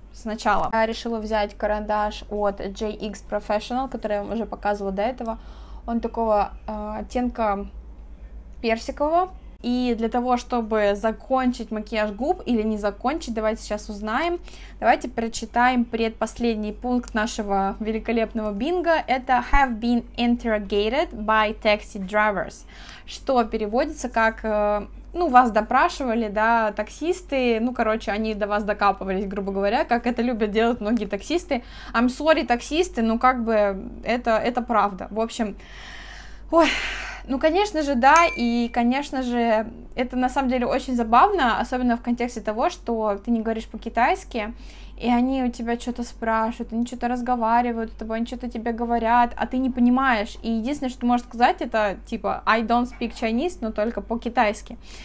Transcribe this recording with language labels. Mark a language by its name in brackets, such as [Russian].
[Russian] Сначала я решила взять карандаш от JX Professional, который я вам уже показывала до этого. Он такого оттенка персикового. И для того, чтобы закончить макияж губ или не закончить, давайте сейчас узнаем. Давайте прочитаем предпоследний пункт нашего великолепного бинго. [English] Это have been interrogated by taxi drivers. [Russian] Что переводится как, ну, вас допрашивали, да, таксисты. Ну, короче, они до вас докапывались, грубо говоря, как это любят делать многие таксисты. [English] I'm sorry, [Russian] таксисты, ну, как бы, это правда. В общем, ой. Ну, конечно же, да, и, конечно же, это на самом деле очень забавно, особенно в контексте того, что ты не говоришь по-китайски, и они у тебя что-то спрашивают, они что-то разговаривают с тобой, они что-то тебе говорят, а ты не понимаешь, и единственное, что ты можешь сказать, это типа [English] I don't speak Chinese, [Russian] но только по-китайски.